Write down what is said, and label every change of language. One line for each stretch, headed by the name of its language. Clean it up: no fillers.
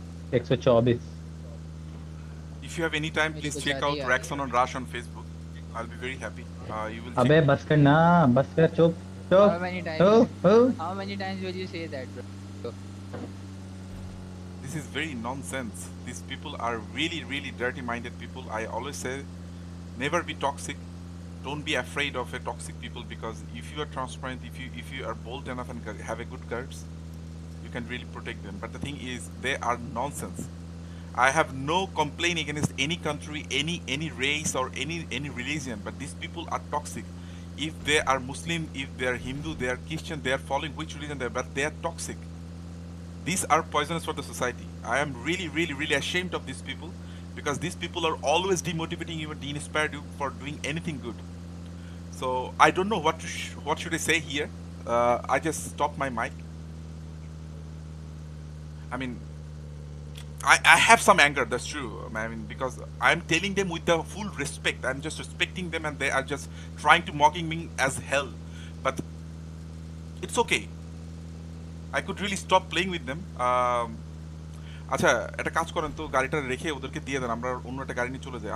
English: 124। If you have any time please check out रैक्सन on राश on Facebook, I will be very happy. You will
Hindi: अबे बस कर ना, बस कर, चुप चुप।
English: How many times, how many times will you say that bro? This is very nonsense. These people are really, really dirty-minded people. I always say, never be toxic. Don't be afraid of a toxic people, because if you are transparent, if you are bold enough and have a good guts, you can really protect them. But the thing is, they are nonsense. I have no complaint against any country, any race or any religion. But these people are toxic. If they are Muslim, if they are Hindu, they are Christian, they are following which religion they are, but they are toxic. These are poisonous for the society. I am really, really, really ashamed of these people, because these people are always demotivating you and inspiring you for doing anything good. So I don't know what should I say here. I just stopped my mic. I mean, I have some anger. That's true. I mean, because I am telling them with the full respect. I'm just respecting them, and they are just trying to mocking me as hell. But it's okay. I could really stop playing with them.
Bangla: আচ্ছা এটা কাজ করেন তো, গাড়িটা রেখে ওদেরকে দিয়ে দেন, আমরা অন্য একটা গাড়ি নিয়ে চলে যাই।